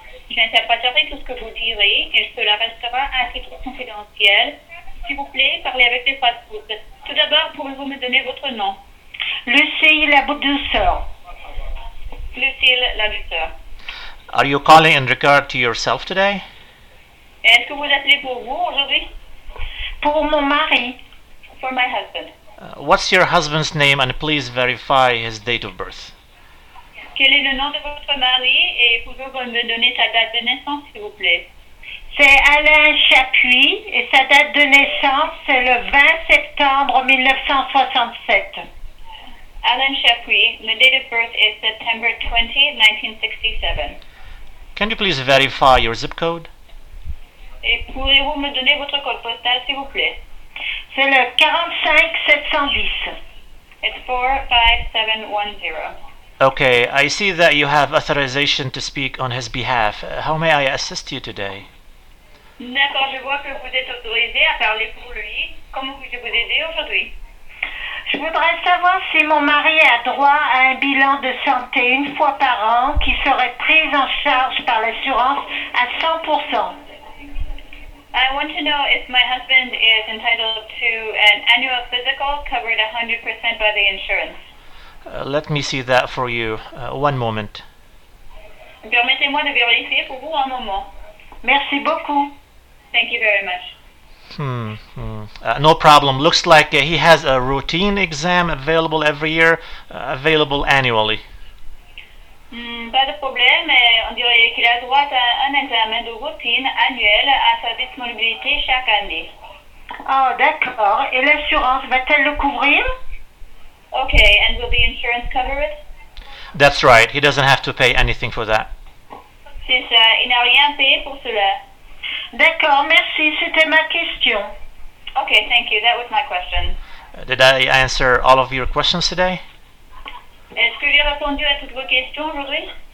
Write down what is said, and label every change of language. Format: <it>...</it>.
<fr>J'interpréterai tout ce que vous direz et cela restera à titre confidentiel. S'il vous plaît, parlez avec les fast-foods. Tout d'abord, pouvez-vous me donner votre nom? Lucille la douceur. Lucille la douceur.</fr> <en>Are you calling in regard to yourself today?</en> <fr>Est-ce que vous appelez pour vous aujourd'hui? Pour mon mari.</fr> <en>For my husband. What's your husband's name and please verify his date of birth?</en> <fr>Quel est le nom de votre mari et pouvez-vous me donner sa date de naissance, s'il vous plaît? C'est Alain Chapuis et sa date de naissance, c'est le 20 septembre 1967.</fr> <en>Alain Chapuis, the date of birth is September 20, 1967. Can you please verify your zip code?</en> <fr>Et pouvez-vous me donner votre code postal, s'il vous plaît? C'est le 45710.</fr> <en>It's 45710. Okay, I see that you have authorization to speak on his behalf. How may I assist you today?</en> <fr>D'accord, je vois que vous êtes autorisé à parler pour lui. Comment puis-je vous aider aujourd'hui? Je voudrais savoir si mon mari a droit à un bilan de santé une fois par an qui serait pris en charge par l'assurance à 100%.</fr> <en>I want to know if my husband is entitled to an annual physical covered 100% by the insurance. Let me see that for you. One moment.</en> <fr>Permettez-moi de vérifier pour vous un moment. Merci beaucoup.</fr> <en>Thank you very much. No problem. Looks like he has a routine exam available every year, available annually.</en> <fr>Pas de problème. On dirait qu'il a droit à un examen de routine annuel à sa disponibilité chaque année. Oh, d'accord. Et l'assurance va-t-elle le couvrir?</fr> <en>Okay, and will the insurance cover it? That's right. He doesn't have to pay anything for that.</en> <fr>C'est ça. Il n'a rien payé pour cela. D'accord, merci. C'était ma question.</fr> <en>Okay, thank you. That was my question. Did I answer all of your questions today?</en> <fr>Est-ce que j'ai répondu à toutes vos questions aujourd'hui?</fr>